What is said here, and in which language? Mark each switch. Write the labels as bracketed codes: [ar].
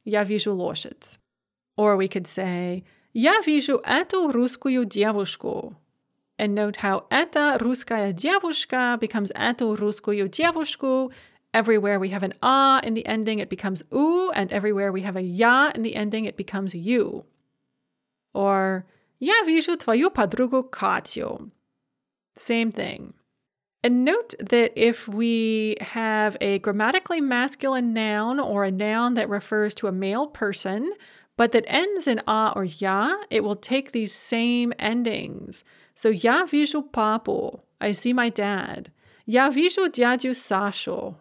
[ru] Я вижу лошадь. [en] Or we could say, [ru] Я вижу эту русскую девушку. [en] And note how [ru] эта русская девушка [en] becomes [ru] эту русскую девушку. [en] Everywhere we have an а in the ending, it becomes у, and everywhere we have a я in the ending, it becomes you. [ru] Or, Я вижу твою подругу Катю. [en] Same thing. And note that if we have a grammatically masculine noun or a noun that refers to a male person, but that ends in А or Я, it will take these same endings. [ru] So, Я вижу папу. [en] I see my dad. [ru] Я вижу дядю Сашу.